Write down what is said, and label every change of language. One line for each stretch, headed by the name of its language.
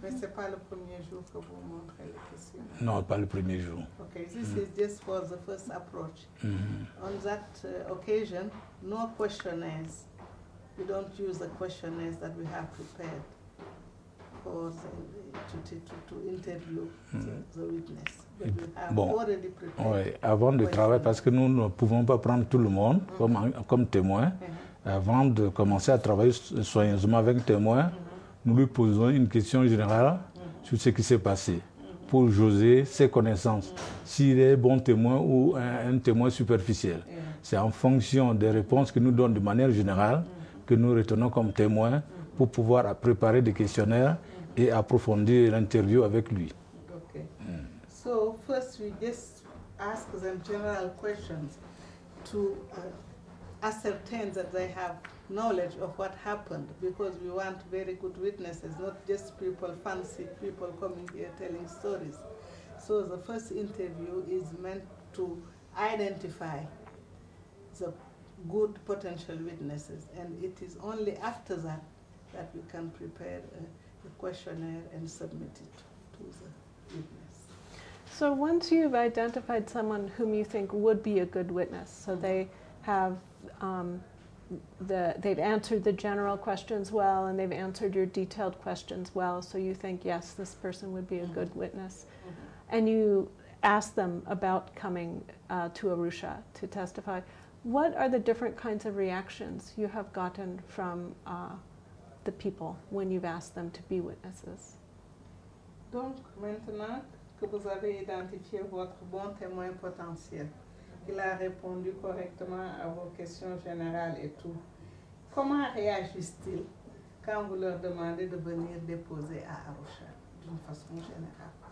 French: Mais ce n'est pas le premier jour que vous montrez les questionnaires? Non, pas le premier jour.
English: OK, this is just for the first approach. Mm-hmm. On that occasion, no questionnaires. We don't use the questionnaires that we have prepared for to interview the witness.
French: Bon, oui, avant de travailler, parce que nous ne pouvons pas prendre tout le monde comme témoin, avant de commencer à travailler soigneusement avec un témoin, nous lui posons une question générale sur ce qui s'est passé. Pour José, ses connaissances, s'il est bon témoin ou un témoin superficiel. C'est en fonction des réponses qu'il nous donne de manière générale que nous retenons comme témoin pour pouvoir préparer des questionnaires et approfondir l'interview avec lui.
English: So first we just ask them general questions to ascertain that they have knowledge of what happened, because we want very good witnesses, not just people, fancy people coming here telling stories. So the first interview is meant to identify the good potential witnesses, and it is only after that that we can prepare a questionnaire and submit it to the witness. So once you've identified someone whom you think would be a good witness, so they have they've answered the general questions well and they've answered your detailed questions well, so you think, yes, this person would be a good witness, and you ask them about coming to Arusha to testify, what are the different kinds of reactions you have gotten from the people when you've asked them to be witnesses?
French: Donc, maintenant que vous avez identifié votre bon témoin potentiel, il a répondu correctement à vos questions générales et tout, comment réagissent-ils quand vous leur demandez de venir déposer à Arusha, d'une façon générale?